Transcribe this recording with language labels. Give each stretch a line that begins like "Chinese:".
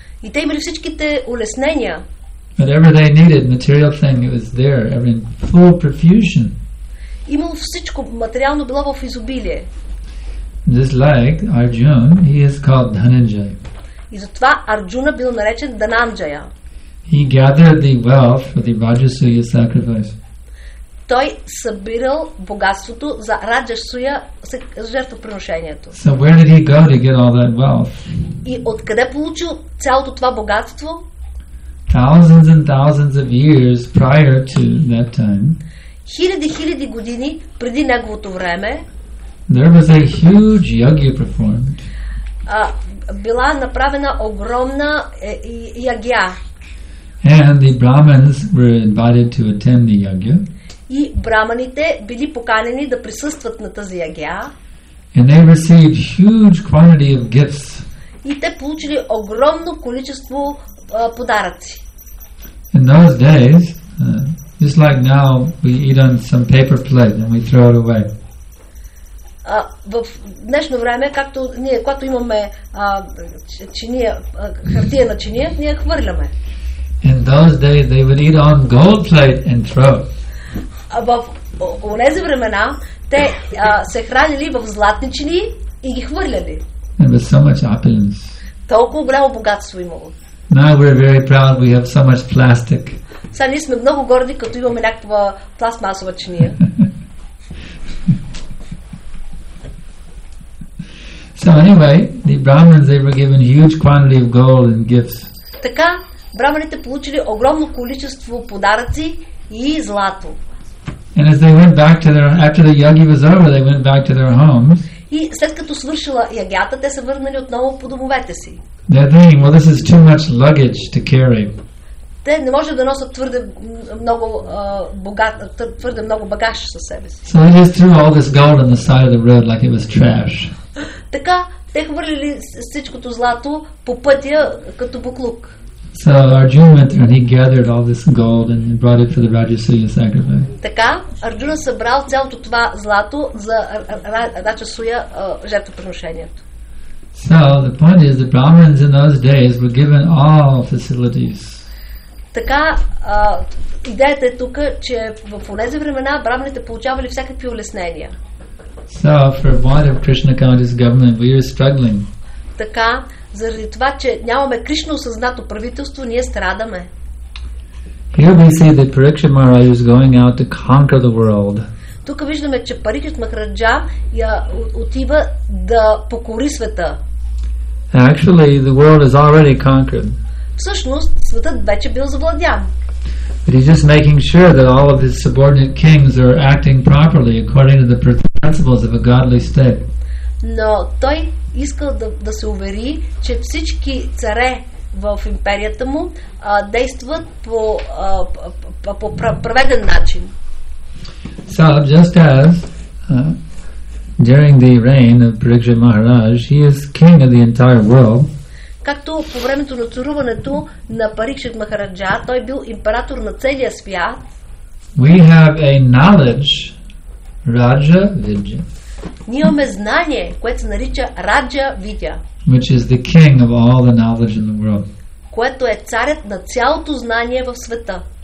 Bulgarian: И те имали всичките улеснения.
English: Whatever they needed, material thing, it was there, in full profusion.
Bulgarian: Имало всичко, материално било в изобилие.
English: Just like Arjun, he is called Dhananjay.
Bulgarian: И затова Арджуна бил наречен Дананджая.
English: He gathered the wealth for the Rajasuya sacrifice.
Bulgarian: Той събирал богатството за Раджасуя жертвоприношението.
English: So where did he go to get all that wealth?
Bulgarian: И откъде получил цялото това богатство?
English: Thousands and thousands of years prior to that time.
Bulgarian: Хиляди години преди неговото време.
English: There was a huge yagya performed.
Bulgarian: Била направена огромна ягия.
English: And the Brahmins were invited to attend the yagya.
Bulgarian: И браманите били поканени да присъстват на тази ягия.
English: And they received huge quantity of gifts.
Bulgarian: И те получили огромно количество подаръци.
English: In those days, just like now, we eat on some paper plate and we throw it away.
Bulgarian: В днешно време, както ние, когато имаме чиния, хартия на чиния, ние хвърляме.
English: In those days, they would eat on gold plate and throw.
Bulgarian: В тези времена, те се хранили в златни чинии и ги хвърляли.
English: There was so much opulence.
Bulgarian: Толкова голямо богатство имало.
English: Now we're very proud we have so much plastic.
Bulgarian: Сега ние сме много горди, като имаме някаква пластмасова чиния.
English: So anyway, the Brahmins, they were given huge quantity of gold and gifts.
Bulgarian: Така, браманите получили огромно количество подаръци и злато.
English: And as they went back to their, after the yagi was over, they went back to their homes.
Bulgarian: И след като свършила ягията, те се върнали отново по домовете си.
English: They're thinking, well, this is too much luggage to carry.
Bulgarian: Те не може да носят твърде много багаж със себе си.
English: So they just threw all this gold on the side of the road like it was trash.
Bulgarian: Така, те хвърлили всичкото злато по пътя като буклук.
English: So Arjuna went there and he gathered all this gold and brought it for the Rajasuya sacrifice.
Bulgarian: Така, Арджуна събрал цялото това злато за Раджасуя жертвоприношението.
English: So the point is the Brahmins in those days were given all facilities.
Bulgarian: Така, идеята е тук, че в тези времена брахманите получавали всякакви улеснения.
English: So for want of Krishna conscious government, we are struggling.
Bulgarian: Така, заради това, че нямаме Кришна осъзнато правителство, ние страдаме.
English: Here we see that Parikshit Maharaj is going out to conquer the world.
Bulgarian: Тук виждаме, че Парикшит Махараджа я отива да покори света.
English: Actually, the world is already conquered.
Bulgarian: Всъщност, светът вече бил завладян.
English: But he's just making sure that all of his subordinate kings are acting properly according to the principles of a godly state.
Bulgarian: Но той искал да се увери, че всички царе в империята му действат по праведен начин.
English: So just as during the reign of Parikshit Maharaj, he is king of the entire world.
Bulgarian: Както по времето на царуването на Парикшит Махараджа, той бил император на целия свят.
English: We have a knowledge, Raja Vidya.
Bulgarian: Ние имаме знание, което се нарича Раджа Видя.
English: Which is the king of all the knowledge in the world.
Bulgarian: Което е царят на цялото знание в света.